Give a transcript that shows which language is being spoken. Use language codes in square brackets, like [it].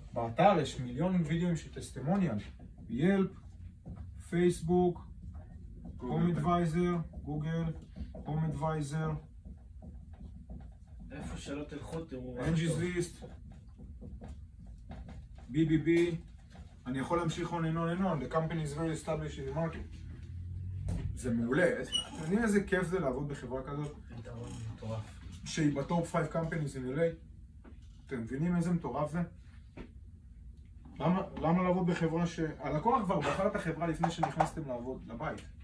[he] באתר יש מיליון וידאוים של טסטימוניאל. ילפ, פייסבוק, קום אדוויזר, גוגל, קום אדוויזר. איפה שלא תלכו, תראו. אנג'יז ליסט, BBB. אני יכול להמשיך [en] on and on and on. The company is very established in the market. [he] זה מעולה. אתם יודעים איזה כיף זה לעבוד בחברה כזאת? מטורף. שהיא בטופ 5 [en] companies in LA. [he] אתם מבינים איזה מטורף זה? למה לעבוד בחברה ש... הלקוח כבר בחר את החברה לפני שנכנסתם לעבוד לבית.